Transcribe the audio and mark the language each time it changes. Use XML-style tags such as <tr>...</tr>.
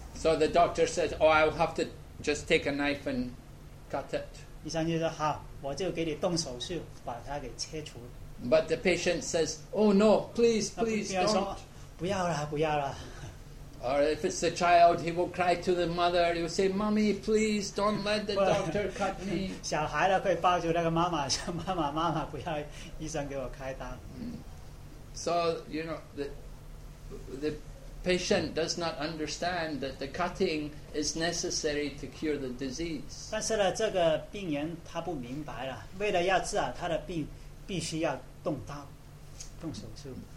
<en>So the doctor says, oh, I'll have to just take a knife and cut it.</en> <zh>医生就说, 好, 我就给你动手术, 把它给切除。</zh> <en>But the patient says, oh no, please,</en> <zh>啊, 比如说,</zh> <en>don't.</en> <zh>不要了。</zh> <en>Or if it's the child, he will cry to the mother. He will say, Mommy, please don't let the doctor cut me.</en> <zh>小孩呢,会抱住那个妈妈,说妈妈,妈妈, 不要医生给我开刀。</zh> <en>So, you know, the patient does not understand that the cutting is necessary to cure the disease.</en> <zh>但是呢,这个病人他不明白了, 为了要治好他的病, 必须要动刀, 动手术。</zh>